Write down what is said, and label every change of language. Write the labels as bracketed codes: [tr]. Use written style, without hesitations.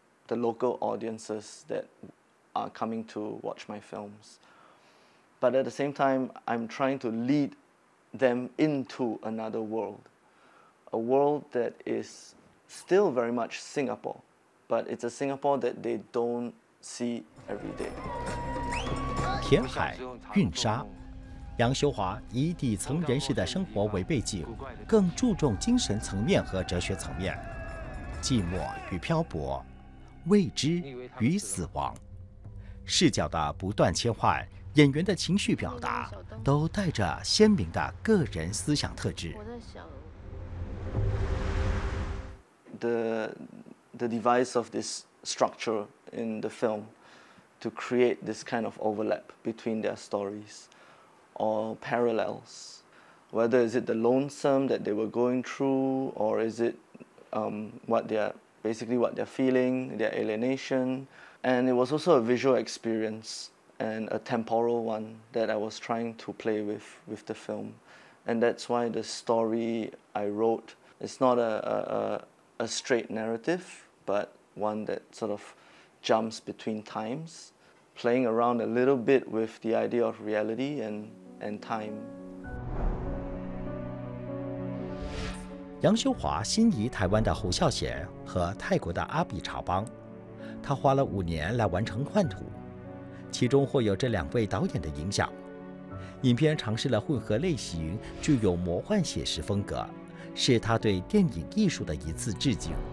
[en] The local audiences that are coming to watch my films. But at the same time, I'm trying to lead them into another world. A world that is still very much Singapore, but it's a Singapore that they don't see every day. [zh] 填海、运沙，杨修华以底层人士的生活为背景，更注重精神层面和哲学层面，寂寞与漂泊。未知与死亡，视角的不断切换，演员的情绪表达都带着鲜明的个人思想特质。 [en] The device of this structure in the film to create this kind of overlap between their stories or parallels, whether is it the lonesome that they were going through or is it what they are. Basically what they're feeling, their alienation. And it was also a visual experience and a temporal one that I was trying to play with the film. And that's why the story I wrote, it's not a straight narrative, but one that sort of jumps between times, playing around a little bit with the idea of reality and time. [zh] 杨修华心仪台湾的侯孝贤和泰国的阿比查邦，他花了5年来完成《幻徒》，其中或有这两位导演的影响。影片尝试了混合类型，具有魔幻写实风格，是他对电影艺术的一次致敬。